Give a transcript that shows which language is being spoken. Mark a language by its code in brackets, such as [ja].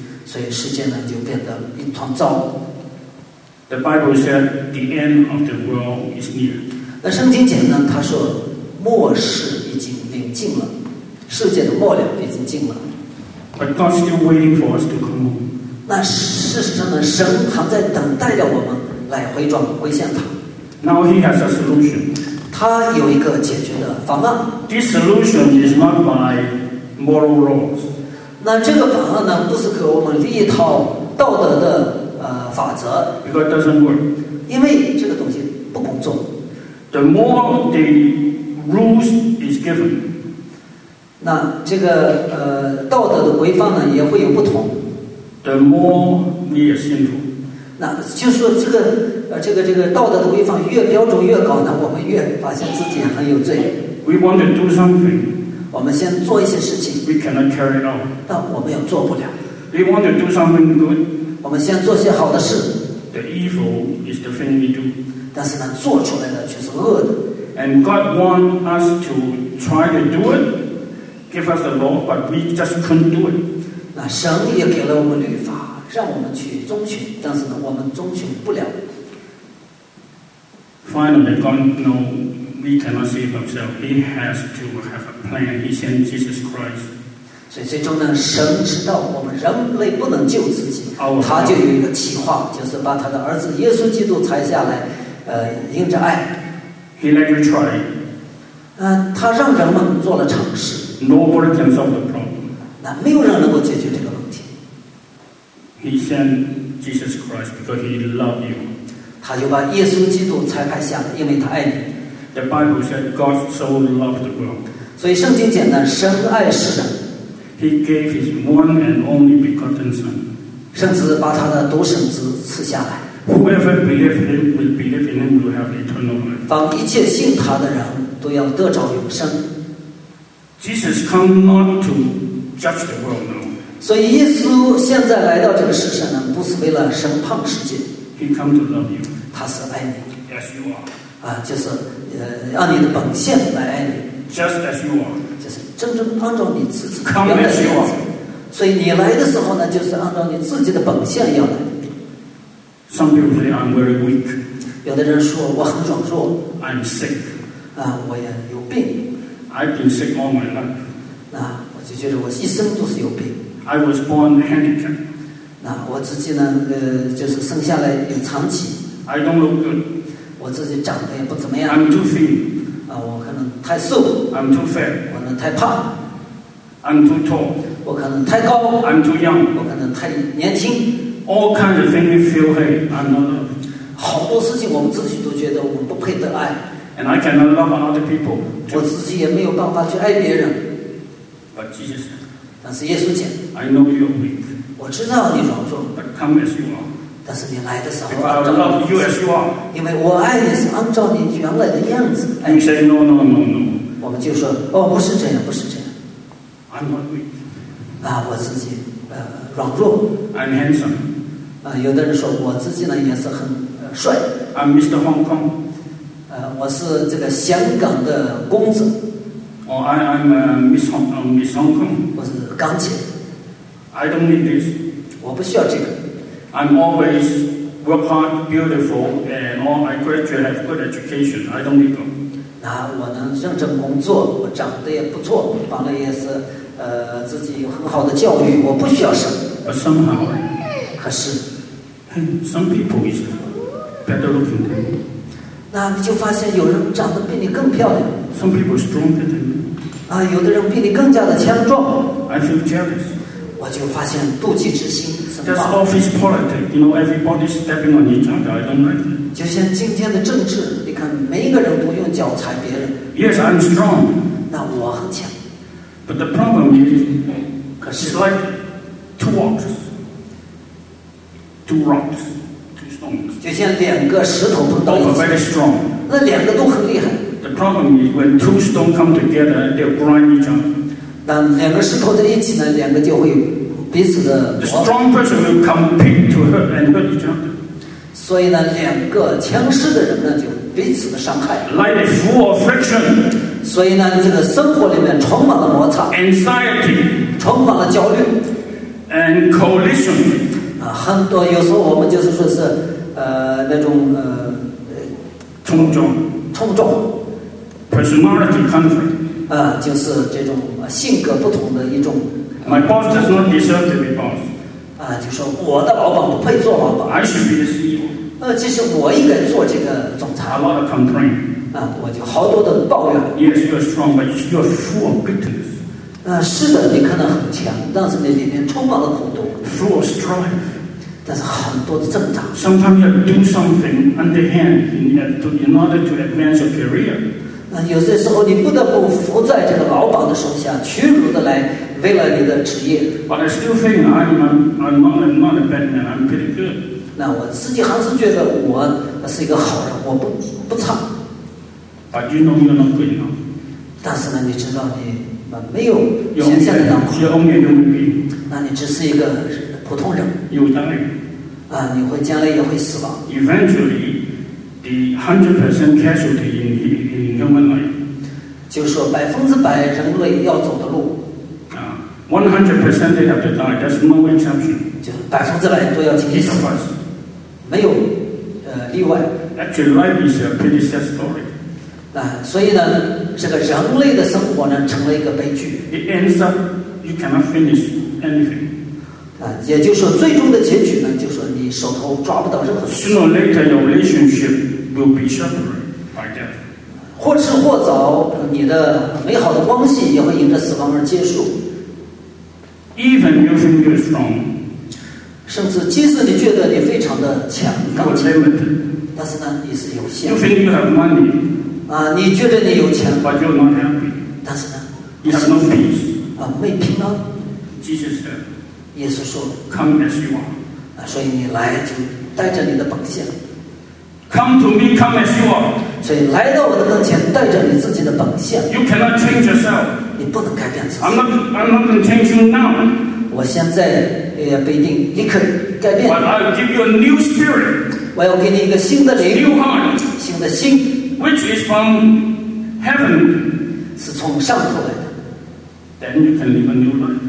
[zh] 所以世界呢就变得一团糟。 [en] The Bible said the end of the world is near. [zh] 那圣经讲呢，他说末世已经临近了，世界的末了已经近了。 [en] But God's still waiting for us to come home. [zh] 那事实上呢，神还在等待着我们来回转归向他。 [en] Now He has a solution. [zh] 他有一个解决的方案。 [en] This solution is not by moral laws. [zh] 那这个方案呢，不是给我们立一套道德的法则。 [en] Because it doesn't work. [zh] 因为这个东西不工作。 [en] The more the rules is given. [zh] 那这个道德的规范呢，也会有不同。 [en] The more we are sinful. [zh] 那就是说这个道德的规范越标准越高呢，我们越发现自己很有罪。 [en] We want to do something. [zh] 我们先做一些事情 [en] we cannot carry it on. [zh] 但我们又做不了 [en] we want to do something good. [zh] 我们先做些好的事 [en] the evil is the thing we do. [zh] 但是呢做出来的却是恶的 [en] and God want us to try to do it give us the law but we just couldn't do it. [zh] 那神也给了我们律法让我们去遵循但是呢我们遵循不了 [en] finally God knowWe cannot save ourselves. He has to have a plan. He sent Jesus Christ. [zh] 所以最终呢，神知道我们人类不能救自己，他就有一个计划，就是把他的儿子耶稣基督裁下来，因着爱。 [en] He let you try. [zh] 他让人们做了尝试。 [en] Nobody can solve the problem. [zh] 那没有人能够解决这个问题。 [en] He sent Jesus Christ because He loved you. [zh] 他就把耶稣基督裁派下来，因为他爱你。 [en] The Bible said God so loved the world. [zh] 所以圣经讲呢，神爱世人。 [en] He gave His one and only begotten Son. [zh] 甚至把他的独生子赐下来。 [en] Whoever believes Him will believe in Him will have eternal life. [zh] 凡一切信他的人都要得着永生。 [en] Jesus come not to judge the world now. [zh] 所以耶稣现在来到这个世上呢，不是为了审判世界。 [en] He come to love you. [zh] 他是爱你。 [en] Yes, you are. [zh] 就是按你的本性来爱你 [en] Just as you are [zh] 就是真正按照你自己原来的样子 [en] Come as you are [zh] 所以你来的时候呢就是按照你自己的本性要来 [en] Some people say I'm very weak [zh] 有的人说我很软弱 [en] I'm sick [zh] 我也有病 [en] I've been sick all my life [zh] 我就觉得我一生都是有病 [en] I was born handicapped [zh] 我自己呢就是生下来有残疾 [en] I don't look good [zh] 我自己长得也不怎么样 [en] I'm too thin [zh] 我可能太瘦 [en] I'm too fat [zh] 我可能太胖 [en] I'm too tall [zh] 我可能太高 [en] I'm too young [zh] 我可能太年轻 [en] All kinds of things feel hey I'm not loved [zh] 好多事情我们自己都觉得我们不配得爱 [en] And I cannot love other people、too. [zh] 我自己也没有办法去爱别人 [en] But Jesus [zh] 但是耶稣讲 [en] I know you're weak [zh] 我知道你软弱 [en] But come as you are [zh] 但是你来的时候 [en] If I would love you as you are, [zh] 因为我爱你是按照你原来的样子 [en] You say no no no no [zh] 我们就说哦不是这样不是这样 [en] I'm not weak [zh] 我自己软弱 [en] I'm handsome [zh] 有的人说我自己呢也是很帅 [en] I'm Mr. Hong Kong [zh] 我是这个香港的公子 [en] Oh, I'm Miss Hong, Miss Hong Kong [zh] 我是港姐 [en] I don't need this [zh] 我不需要这个 [en] I'm always work hard, beautiful, and all my graduate have good education. I don't need them. [zh] 我能认真工作，我长得也不错，完了也是自己有很好的教育，我不需要什么。 [en] But somehow, [zh] 可是 [en] some people is better looking than me. [zh] 你就发现有人长得比你更漂亮。 [en] Some people stronger than me. [zh] 有的人比你更加的强壮。 [en] I feel jealous. [zh] 我就发现妒忌之心生。 [en] That's office politics. You know, everybody stepping on each other. I don't like it. [zh] 就像今天的政治，你看每一个人都用脚踩别人。 [en] Yes, I'm strong. [zh] 我很强。 [en] But the problem is, [zh] 可是 [en] it's like two rocks, two rocks, two stones. [zh] 就像两个石头碰到一起。 [en] Both are very strong. [zh] 那两个都很厉害。 [en] The problem is when two stones come together, they grind each other. [zh] 但两个石头在一起呢，两个就会有彼此的。 [en] The strong person will compete to hurt and hurt each other. [zh] 所以呢，两个强势的人呢，就彼此的伤害。 [en] Life is full of friction. [zh] 所以呢，这个生活里面充满了摩擦。 [en] Anxiety. [zh] 充满了焦虑。 [en] and coalition. [zh] 啊，很多有时候我们就是说是那种冲撞。冲撞。 [en] Personality conflict. [zh] 啊，就是这种性格不同的一种。 [en] My boss does not deserve to be boss. [zh] 啊，就说我的老板不配做老板。 [en] I should be the CEO. [zh] 其实我应该做这个总裁。 [en] A lot of complaint. [zh] 啊，我就好多的抱怨。 [en] Yes, you are strong, but you are full of bitterness. [zh] 是的，你可能很强，但是你里面充满了苦毒。 [en] Full of strife. [zh] 但是很多的挣扎。 [en] Sometimes you do something underhand in order to advance your career. [zh] 有些时候你不得不服在这个老板的手下，屈辱的来为了你的职业。 [en] But I still think I'm not a bad man. I'm pretty good. [zh] 那我自己还是觉得我是一个好人，我不差。 But you know you're not good enough. 但是呢，你知道你没有想象的那么好。 [en] You're only a human being. [zh] 那你只是一个普通人。 [en] You die. [zh] 啊，你会将来也会死亡。 [en] Eventually, the 100% casualty in human life. [zh] 就说100%人类要走的路。 [en] 100% they have to die. That's no exception. [zh] 就是100%都要经历死亡，没有例外。 [en] Actually, life is a pretty sad story. [zh] 所以呢，这个人类的生活呢，成了一个悲剧。 [en] It ends up you cannot finish anything. [zh] 也就是说，最终的结局呢，就是说你手头抓不到任何。 [en] Sooner or later, your relationship will be shattered by death. [zh] 或迟或早，你的美好的关系也会因着死亡而结束。 [en] Even you think you're strong, [zh] 甚至即使你觉得你非常的强，刚 [en] 强 limited, [zh] 但是呢，你是有限。 [en] You think you have money, [zh] 你觉得你有钱 [en] ，but you're not happy, [zh] 但是呢 [en] ，you have no peace, [zh] 没平安。 [en] Jesus said, [zh] 耶稣说 [en] ，Come as you are, [zh] 所以你来就带着你的本相。 [en] Come to me, come as you are, [zh] 所以来到我的跟前，带着你自己的本相。 [en] You cannot change yourself. [zh] 你不能改变自己。 [en] I'm not going to change you now. [zh] 我现在也不一定立刻改变。 [en] But I'll give you a new spirit. [zh] 我要给你一个新的灵。 [en] New heart. [zh] 新的心。 [en] Which is from heaven. [zh] 是从上头来的。 [en] Then you can live a new life.